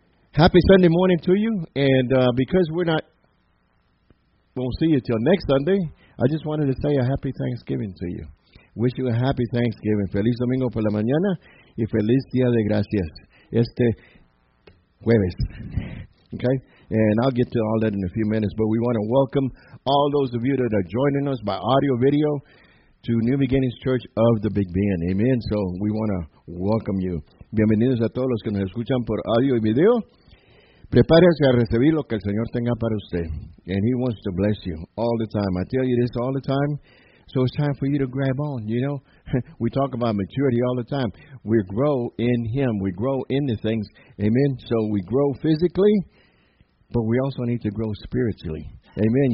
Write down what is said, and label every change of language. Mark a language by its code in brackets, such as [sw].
[en] Happy Sunday morning to you. And because we're not, won't see you till next Sunday, I just wanted to say a happy Thanksgiving to you. Wish you a happy Thanksgiving. [es] Feliz domingo por la mañana y feliz día de gracias. Este jueves. [en] Okay? And I'll get to all that in a few minutes. But we want to welcome all those of you that are joining us by audio, video, to New Beginnings Church of the Big Ben. Amen. So we want to welcome you. [es] Bienvenidos a todos los que nos escuchan por audio y video. Prepárense a recibir lo que el Señor tenga para usted. [en] And He wants to bless you all the time. I tell you this all the time. So it's time for you to grab on, you know. We talk about maturity all the time. We grow in Him. We grow in the things. Amen. So we grow physically, but we also need to grow spiritually. Amen.